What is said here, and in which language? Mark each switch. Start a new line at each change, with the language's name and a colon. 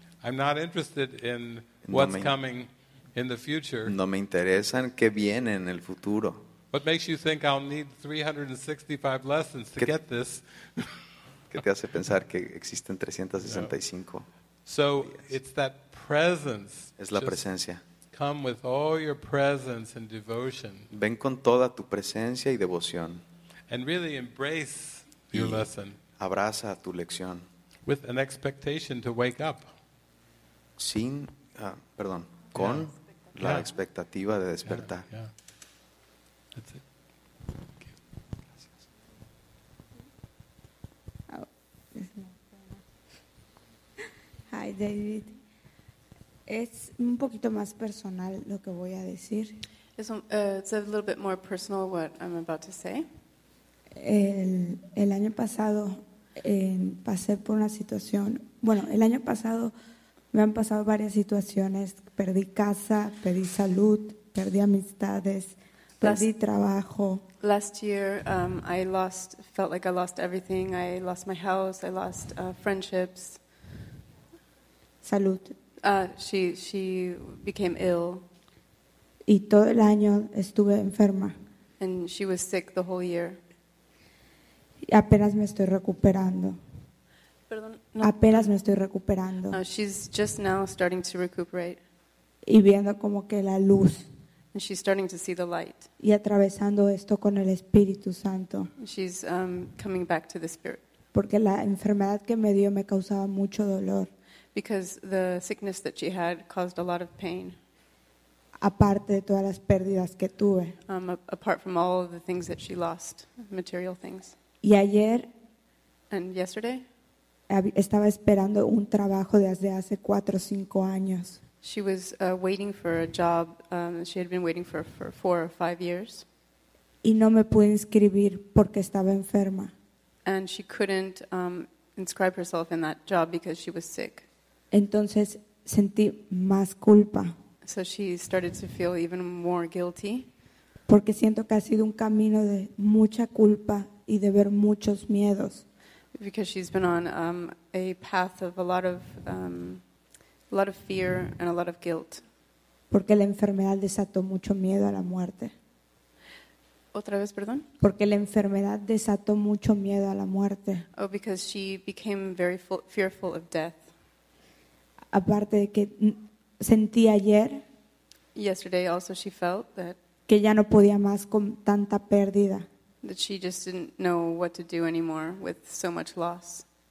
English: I'm not interested in what's coming in the future.
Spanish: No me interesa en qué viene en el futuro.
English: What makes you think I'll need 365 lessons to get this?
Spanish: ¿Qué te hace pensar que existen 365?
English: So it's that presence.
Spanish: Es la presencia.
English: Come with all your presence and devotion.
Spanish: Ven con toda tu presencia y devoción.
English: And really embrace your lesson.
Spanish: Abraza tu lección.
English: With an expectation to wake up.
Spanish: Sin, perdón, con la expectativa de despertar.
English: That's it.
Spanish: Gracias.
English: Hi, David.
Spanish: Es un poquito más personal lo que voy a decir.
English: It's a little bit more personal what I'm about to say.
Spanish: El año pasado pasé por una situación. Bueno, el año pasado me han pasado varias situaciones. Perdí casa, perdí salud, perdí amistades, perdí trabajo.
English: Last year, felt like I lost everything. I lost my house. I lost friendships.
Spanish: Salud.
English: She became ill.
Spanish: Y todo el año estuve enferma.
English: And she was sick the whole year.
Spanish: Y apenas me estoy recuperando. Perdón, no. Apenas me estoy recuperando.
English: No, she's just now starting to recuperate.
Spanish: Y viendo como que la luz.
English: And she's starting to see the light.
Spanish: Y atravesando esto con el Espíritu Santo.
English: She's coming back to the Spirit.
Spanish: Porque la enfermedad que me dio me causaba mucho dolor.
English: Because the sickness that she had caused a lot of pain.
Spanish: Aparte de todas las pérdidas que tuve.
English: Apart from all of the things that she lost, material things.
Spanish: Y ayer,
English: and yesterday,
Spanish: estaba esperando un trabajo desde hace 4 o 5 años.
English: She was waiting for a job. She had been waiting for 4 or 5 years.
Spanish: Y no me pude inscribir porque estaba enferma.
English: And she couldn't inscribe herself in that job because she was sick.
Spanish: Entonces sentí más culpa.
English: So she started to feel even more guilty.
Spanish: Porque siento que ha sido un camino de mucha culpa y de ver muchos miedos.
English: Because she's been on a path of a lot of fear and a lot of guilt.
Spanish: Porque la enfermedad desató mucho miedo a la muerte. Otra vez, perdón. Porque la enfermedad desató mucho miedo a la muerte.
English: Oh, because she became very fearful of death.
Spanish: Aparte de que sentí ayer.
English: Yesterday also she felt that.
Spanish: Que ya no podía más con tanta pérdida.
English: That she just didn't know what to do anymore with so much loss.